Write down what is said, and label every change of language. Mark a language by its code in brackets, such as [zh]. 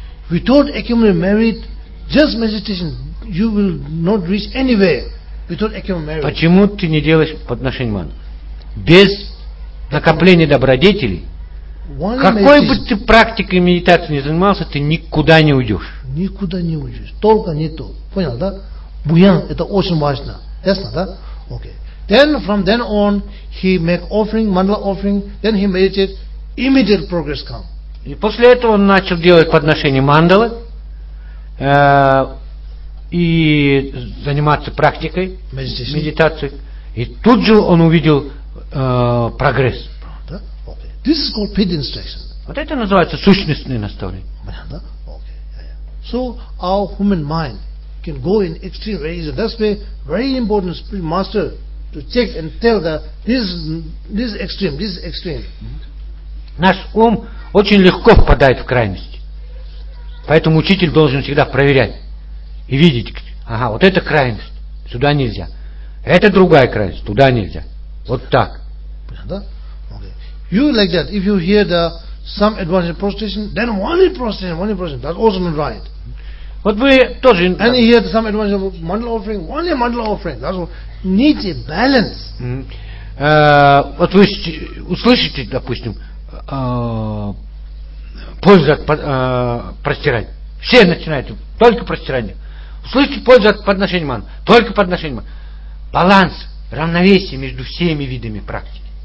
[en] Without accumulating merit, just meditation, you will not reach anywhere without accumulating merit. [ru] Почему ты не делаешь подношение мандалы? Без накопления добродетелей, какой бы ты практикой медитации не занимался, ты никуда не уйдешь. Никуда не уйдешь. Только не то. Понял, да? Буян, это очень важно. Ясно, да? Okay. [en] Then, from then on, he make offering, mandala offering, then he meditated, immediate progress come. [ru] И после этого он начал делать подношение мандалы и заниматься практикой медитации. И тут же он увидел прогресс. [en] This is called feed instruction. [ru] Вот это называется сущностное наставление. Понятно? Okay. [en] So our human mind can go in extreme ways. That's why very important spirit master to check and tell that this is extreme, this is extreme. [ru] Наш ум очень легко впадает в крайности. Поэтому учитель должен всегда проверять и видеть, ага, вот это крайность, сюда нельзя. Это другая крайность, туда нельзя. Вот так. Понятно? [en] You like that, if you hear the some advanced prostration, then only prostration, that also not right. But we тоже. And you hear the some advanced mandala offering, only mandala offering, that also need a balance. [ru] Вот вы услышите, допустим, пользу от простирания. Все начинают, только простирание. Услышите пользу от подношения ман, только подношение ман. Баланс, равновесие между всеми видами практики.